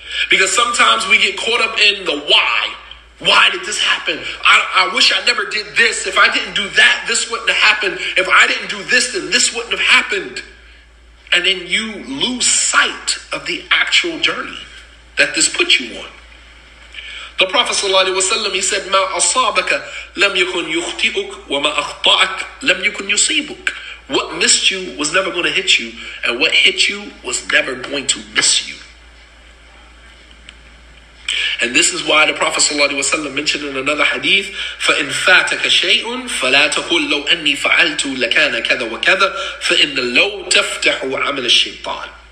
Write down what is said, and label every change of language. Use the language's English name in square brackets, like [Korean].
[English] Because sometimes we get caught up in the why. Why did this happen? I wish I never did this. If I didn't do that, this wouldn't have happened. If I didn't do this, then this wouldn't have happened. And then you lose sight of the actual journey that this put you on. The Prophet sallallahu alaihi wasallam, he said, [Arabic] ما أصابك لم يكن يخطئك وما أخطأك لم يكن يصيبك. [English] What missed you was never going to hit you, and what hit you was never going to miss you. And this is why the Prophet sallallahu alaihi wasallam mentioned in another hadith, [Arabic] فَإِنْ فَاتَكَ شَيْءٌ فَلَا تَقُلْ لَوْ أَنِّي فَعَلْتُ لَكَانَ كَذَا وَكَذَا فَإِنَّ لَوْ تَفْتَحُ عَمَلَ الشَّيْطَانِ.